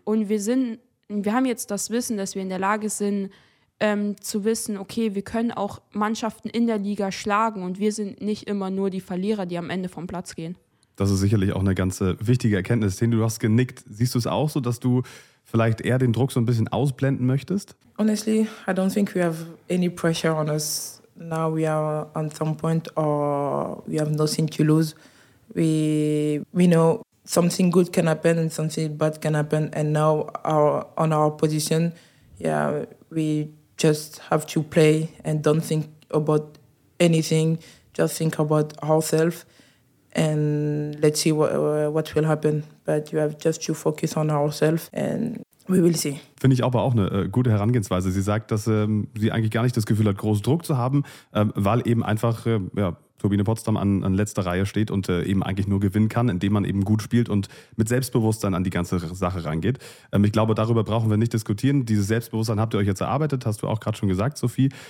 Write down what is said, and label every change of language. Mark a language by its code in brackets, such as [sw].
[de] Und wir haben jetzt das Wissen, dass wir in der Lage sind, zu wissen, okay, wir können auch Mannschaften in der Liga schlagen und wir sind nicht immer nur die Verlierer, die am Ende vom Platz gehen. Das ist sicherlich auch eine ganz wichtige Erkenntnis. Den du hast genickt. Siehst du es auch so, dass du vielleicht eher den Druck so ein bisschen ausblenden möchtest? [en] Honestly, I don't think we have any pressure on us. Now we are on some point or we have nothing to lose. We know something good can happen and something bad can happen. And now on our position, yeah, we just have to play and don't think about anything. Just think about ourselves. And let's see what will happen. But you have just to focus on ourselves and we will see. [de] Finde ich aber auch eine gute Herangehensweise. Sie sagt, dass sie eigentlich gar nicht das Gefühl hat, großen Druck zu haben, weil eben einfach Turbine Potsdam an letzter Reihe steht und eben eigentlich nur gewinnen kann, indem man eben gut spielt und mit Selbstbewusstsein an die ganze Sache rangeht. Ich glaube, darüber brauchen wir nicht diskutieren. Dieses Selbstbewusstsein habt ihr euch jetzt erarbeitet, hast du auch gerade schon gesagt, Sophie.